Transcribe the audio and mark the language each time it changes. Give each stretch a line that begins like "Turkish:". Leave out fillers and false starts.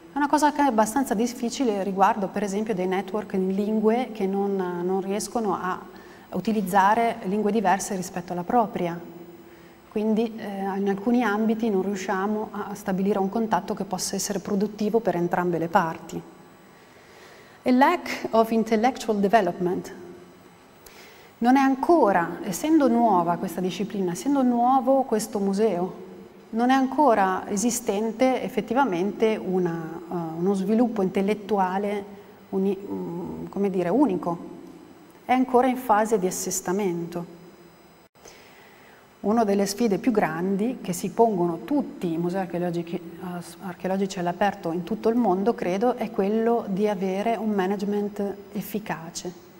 Italian: È una cosa che è abbastanza difficile riguardo per esempio dei network in lingue che non riescono a utilizzare lingue diverse rispetto alla propria. Quindi in alcuni ambiti non riusciamo a stabilire un contatto che possa essere produttivo per entrambe le parti.
English: A lack of intellectual development.
Italian: Non è ancora, essendo nuova questa disciplina, essendo nuovo questo museo, non è ancora esistente effettivamente uno sviluppo intellettuale come dire, unico. È ancora in fase di assestamento. Una delle sfide più grandi che si pongono tutti i musei archeologici all'aperto in tutto il mondo, credo, è quello di avere un management efficace.